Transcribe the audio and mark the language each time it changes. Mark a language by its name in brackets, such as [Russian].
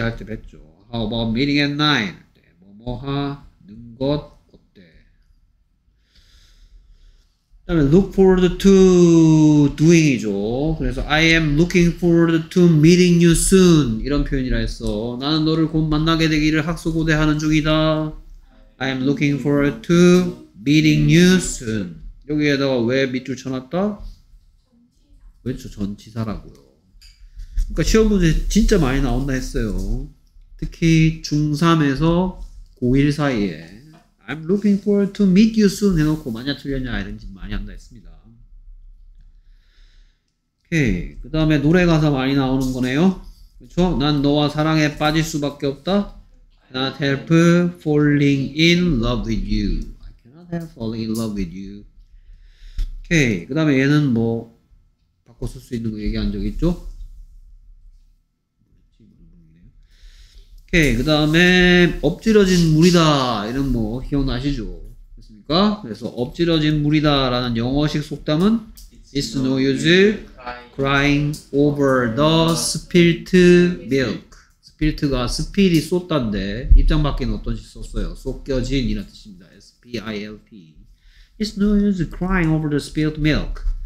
[Korean] 할 때 뵙죠. [English] How about meeting at 9? [Korean] 뭐 하는 것 어때? 그 다음에 look forward to doing이죠. 그래서 [English] I am looking forward to meeting you soon [Korean] 이런 표현이라 했어. 나는 너를 곧 만나게 되기를 학수고대하는 중이다. [English] I am looking forward to meeting you soon. [Korean] 여기에다가 왜 밑줄 쳐놨다? 왜죠? 전치사라고요. 그러니까 시험 문제 진짜 많이 나온다 했어요. 특히 중3에서 5일 사이에 [English] I'm looking forward to meet you soon [Korean] 해놓고 만약 틀렸냐 이런 짓 많이 한다 했습니다. 오케이. 그 다음에 노래 가사 많이 나오는 거네요. 그쵸? 난 너와 사랑에 빠질 수밖에 없다. [English] I cannot help falling in love with you. I cannot help falling in love with you. [Korean] 오케이. 그 다음에 얘는 뭐 바꿔 쓸 수 있는 거 얘기한 적 있죠? 오케이. 그 다음에 엎질러진 물이다 이런 뭐 기억나시죠? 됐습니까? 그래서 엎질러진 물이다 라는 영어식 속담은 [English] It's no use crying over the spilt milk. [Korean] spilt가 스피릿이 쏟단데 입장 바뀐 어떤 짓 썼어요? 쏟겨진 이라는 뜻입니다. [English] S-P-I-L-T. It's no use crying over the spilt milk.